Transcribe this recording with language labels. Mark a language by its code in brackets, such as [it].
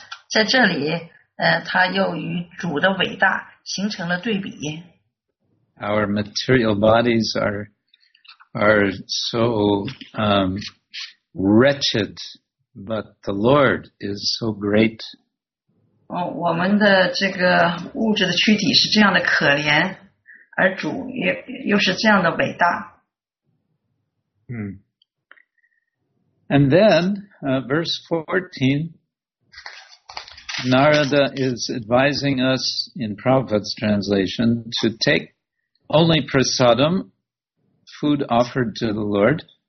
[zh] 在这里他又与主的伟大形成了对比。 [en] Our material bodies are so, wretched. But the Lord is so great. [zh] 我们的这个物质的躯体是这样的可怜，而主又是这样的伟大。 [en] And then, verse 14, Narada is advising us in Prabhupada's translation to take only prasadam, food offered to the Lord.